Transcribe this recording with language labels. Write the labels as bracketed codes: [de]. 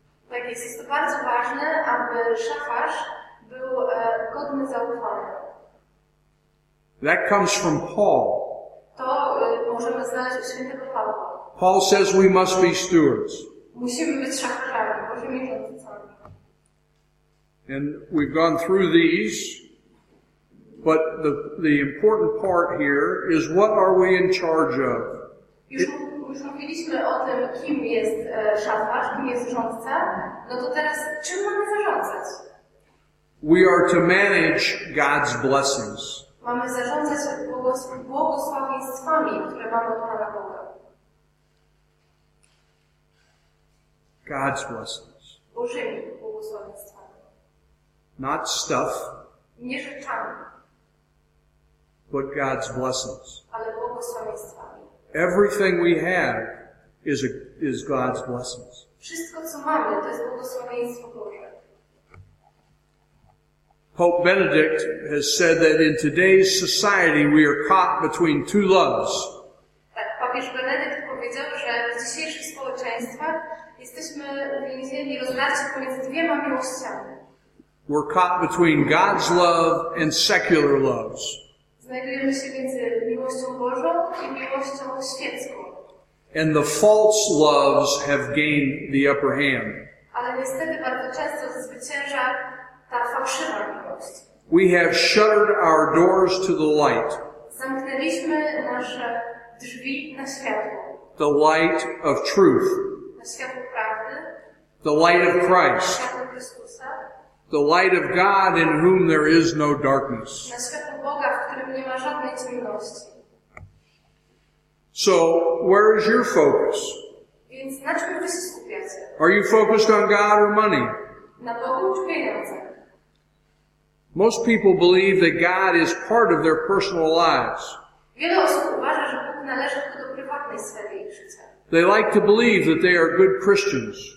[pl] Tak jest, jest to bardzo ważne, aby szafarz był godny zaufania. [en] That comes from Paul. [pl] To możemy znaleźć u świętego Pawła. [en] Paul says we must be stewards. [pl] Musimy być szafarzami, Bożymi rządcami. [en] And we've gone through these. But the important part here is what are we in charge of? [pl] Już mówiliśmy o tym, kim jest szafarz, kim jest rządca. No to teraz, czym mamy zarządzać? [en] We are to manage God's blessings. [pl] Mamy zarządzać błogosławieństwami, które mamy od Pana Boga. [en] God's blessings. [pl] Bożymi błogosławieństwami. [en] Not stuff. [pl] Nie rzeczami. [en] But God's blessings. [pl] Ale błogosławieństwami. [en] Everything we have is God's blessings. [pl] Wszystko, co mamy, to jest błogosławieństwo Boże. [en] Pope Benedict has said that in today's society we are caught between two loves. [pl] Tak, papież Benedykt powiedział, że w dzisiejszych społeczeństwach jesteśmy uwięzieni, rozdarci pomiędzy dwiema miłościami. [en] We're caught between God's love and secular loves. [pl] Znajdujemy się między miłością Bożą i miłością świecką. [en] And the false loves have gained the upper hand. [pl] Ale niestety bardzo często zwycięża ta fałszywa miłość. [en] We have shuttered our doors to the light. [pl] Zamknęliśmy nasze drzwi na światło. [en] The light of truth. [pl] Na światło prawdy. [en] The light of Christ. [pl] Na światło Chrystusa. [en] The light of God in whom there is no darkness. [pl] Na światło Boga, w którym nie ma żadnej ciemności. [en] So, where is your focus? [pl] Więc na czym wy się skupiacie? [en] Are you focused on God or money? [pl] Na Bogu czy pieniądze? [en] Most people believe that God is part of their personal lives. [pl] Wiele osób uważa, że Bóg należy tylko do prywatnej sfery ich życia. [en] They like to believe that they are good Christians.